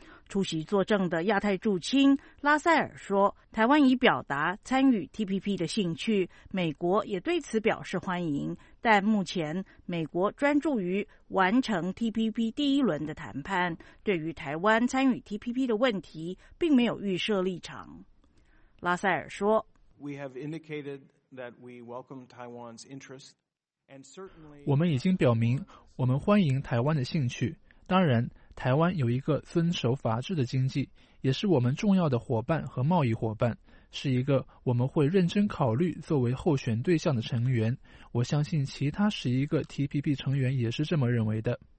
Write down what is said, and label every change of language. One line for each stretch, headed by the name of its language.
Chinese: 出席作证的亚太驻卿拉塞尔说，台湾已表达参与 TPP 的兴趣，美国也对此表示欢迎，但目前美国专注于完成 TPP 第一轮的谈判，对于台湾参与 TPP 的问题并没有预设立场。拉塞尔说，
English: We have indicated that we welcome Taiwan's interest.
Chinese: 我们已经表明我们欢迎台湾的兴趣，当然台湾有一个遵守法治的经济，也是我们重要的伙伴和贸易伙伴，是一个我们会认真考虑作为候选对象的成员，我相信其他11个 TPP 成员也是这么认为的。